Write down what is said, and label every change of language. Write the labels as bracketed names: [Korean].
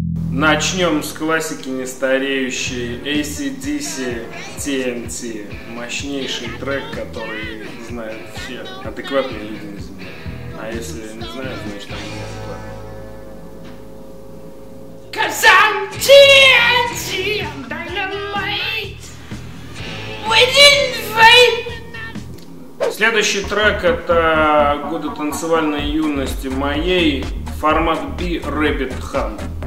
[Russian] Начнем с классики нестареющей AC/DC TNT. Мощнейший трек, который знают все адекватные люди на Земле. А если не знают, значит они не адекватные. [English] Cause I'm TNT, I'm dynamite. We didn't wait. [Russian] Следующий трек — это «Годы танцевальной юности моей», формат B, Rabbit Hunt.